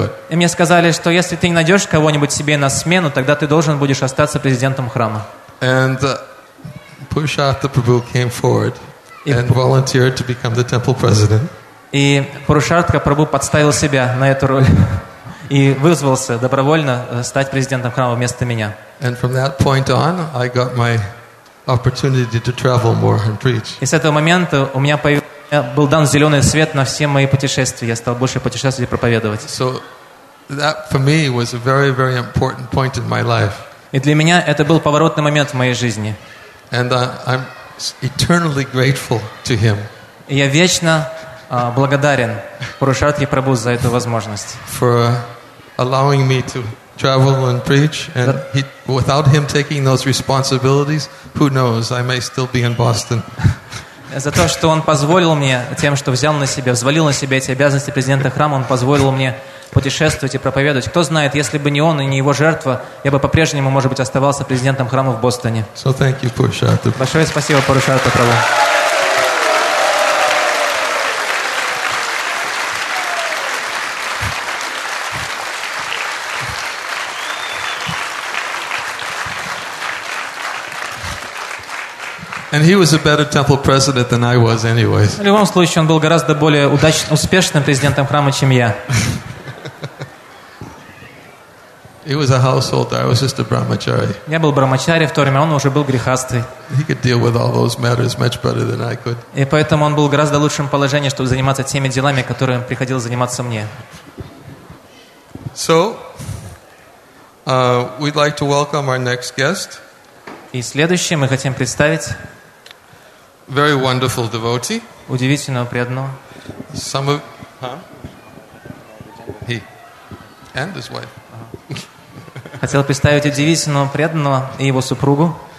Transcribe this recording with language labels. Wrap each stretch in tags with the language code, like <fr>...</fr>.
<ru>И мне сказали, что если ты не найдешь кого-нибудь себе на смену, тогда ты должен будешь остаться президентом храма.</ru> <en>And Purushartha Prabhu came forward and volunteered to become the temple president.</en> <ru>И Пурушартха Прабху подставил себя на эту роль и вызвался добровольно стать президентом храма вместо меня.</ru> <en>And from that point on, I got my opportunity to travel more and preach.</en> <ru>И с этого момента у меня был дан зеленый свет на все мои путешествия. Я стал больше путешествовать и проповедовать.</ru> <en>So that for me was a very, very important point in my life.</en> <ru>И для меня это был поворотный момент в моей жизни.</ru> <en>And I'm eternally grateful to him.</en> <ru>И я вечно благодарен Пурушартхе Прабху за эту возможность.</ru> <en>For allowing me to travel and preach, and he, without him taking those responsibilities, who knows, I may still be in Boston.</en> <ru>За то, что он позволил мне, тем, что взял на себя, взвалил на себя эти обязанности президента храма, он позволил мне путешествовать и проповедовать. Кто знает, если бы не он и не его жертва, я бы по-прежнему, может быть, оставался президентом храма в Бостоне.</ru> <en>So thank you, Пурушартха.</en> <ru>Большое спасибо, Пурушартха Прабху.</ru> <en>And he was a better temple president than I was, anyways.</en> <ru>В любом случае, он был гораздо более удачным, успешным президентом храма, чем я.</ru> <en>He was a householder. I was just a brahmachari.</en> <ru>Я был брахмачари в то время, он уже был грехастый.</ru> <en>He could deal with all those matters much better than I could.</en> <ru>И поэтому он был в гораздо лучшем положении, чтобы заниматься теми делами, которыми приходилось заниматься мне.</ru> <en>So, we'd like to welcome our next guest.</en> <ru>И следующее мы хотим представить.</ru> <en>Very wonderful devotee.</en> <ru>Удивительного преданного.</ru> <en>Some of, he and his wife.</en> <ru>Хотел представить удивительного преданного и его супругу.</ru>